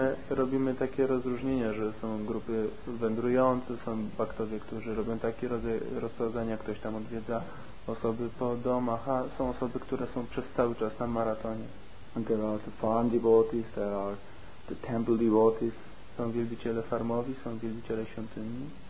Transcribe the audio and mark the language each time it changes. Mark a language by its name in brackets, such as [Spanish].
[Polish] robimy takie rozróżnienia, że są grupy wędrujące, są bhaktowie, którzy robią takie rozprowadzenia, ktoś tam odwiedza osoby po domach, a są osoby, które są przez cały czas na maratonie. [English] And there are the farm devotees, there are the temple devotees. [Polish] Są wielbiciele farmowi, są wielbiciele świątyni.